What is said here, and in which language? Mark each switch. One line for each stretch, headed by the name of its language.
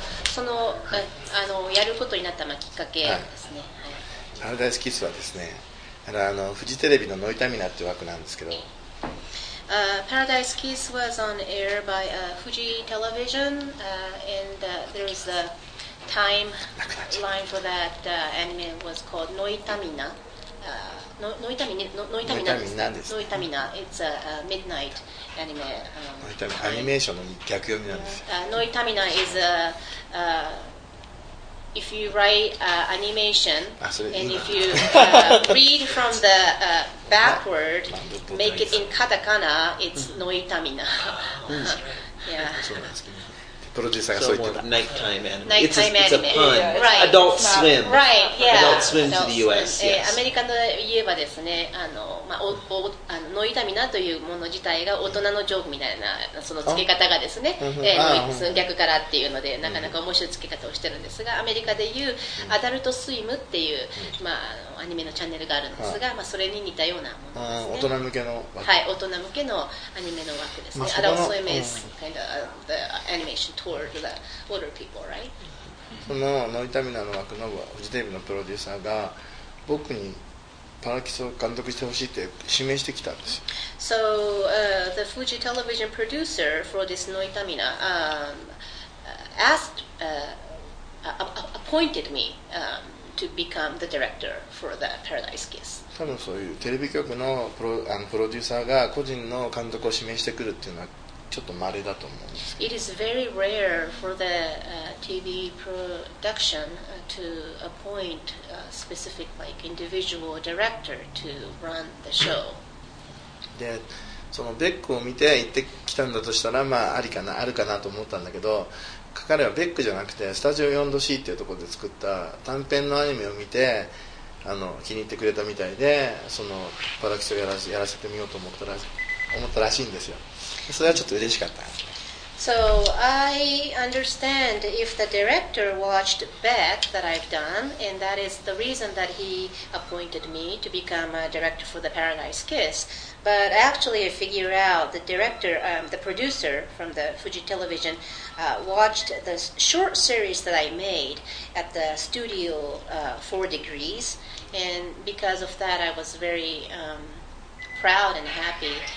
Japanese: そのやることになったきっかけですね。 Paradise Kiss はですね。あのフジテレビのノイタミナっていう枠なんですけど、
English: Paradise Kiss was on air by Fuji Television, and there is a time line for that anime was called ノイタミナ。
Japanese: ノイタミナ、ノイタミナです。
English: ノイタミナ、it's a midnight anime.
Japanese: ノイタミナ、アニメーションの逆読みなんです。
English: ノイタミナ is a If you write animation and if you read from the backward, make it in katakana, it's noitamina. Yeah.
Japanese: プロデューサーがそう言ってた。
English: So, nighttime anime. Nighttime it's a anime. It's a pun. Yeah, right. Adult Swim. Right, yeah. Adult Swim to the US. Yes.
Japanese: アメリカで言えばですね、あの、まあ、おおあの、ノイタミナというもの自体が大人のジョークみたいな、その付け方がですね、その逆からっていうので、なかなか面白い付け方をしてるんですが、アメリカで言うアダルトスイムっていう、まあ、アニメのチャンネルがあるんですが、まあ、それに似たようなものですね。大人向けの枠。はい、大人向けのアニメの枠ですね。
English: Adult Swim is kind of the animation toward the older people, right?
Japanese: そのノイタミナの枠のフジテレビのプロデューサーが僕にパラキスを監督してほしいって指名してきたんですよ。
English: So, the Fuji television producer for this Noitamina, asked, appointed me, to become the director for the Paradise Kiss.
Japanese: 多分そういうテレビ局のプロデューサーが個人の監督を指名してくるっていうのはちょっと稀だと思うんですけど。
English: It is very rare for the TV production to appoint a specific like individual director to run the show.
Japanese: で、そのベックを見て行ってきたんだとしたら、まあありかな、あるかなと思ったんだけど、彼はベックじゃなくてスタジオ 4°C っていうところで作った短編のアニメを見て、あの気に入ってくれたみたいで、そのパラキスをやらせてみようと思ったらしいんですよ。それはちょっと嬉しかった。
English: So I understand if the director watched Beck that I've done, and that is the reason that he appointed me to become a director for the Paradise Kiss. But actually, I figure out the director, the producer from the Fuji Television, watched the short series that I made at the studio, Four Degrees, and because of that, I was very proud and happy.